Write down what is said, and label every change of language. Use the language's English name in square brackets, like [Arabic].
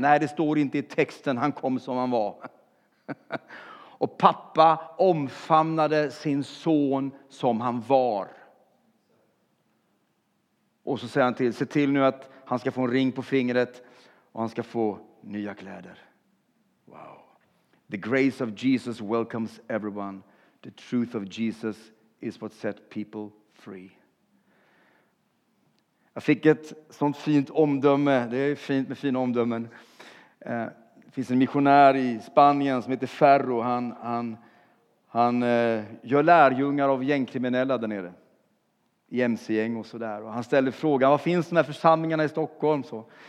[Swedish] Nej, det står inte i texten, han kom som han var. Och pappa omfamnade sin son som han var. Och så säger han till, se till nu att han ska få en ring på fingret och han ska få nya kläder. Wow. [English] The grace of Jesus welcomes everyone. The truth of Jesus is what set people free. [Swedish] Jag fick ett sånt fint omdöme. Det är fint med fina omdömen. Det finns en missionär i Spanien som heter Ferro. Han gör lärjungar av gängkriminella där nere. I MC-gäng och sådär. Och han ställer frågan, vad finns de här församlingarna i Stockholm? Så.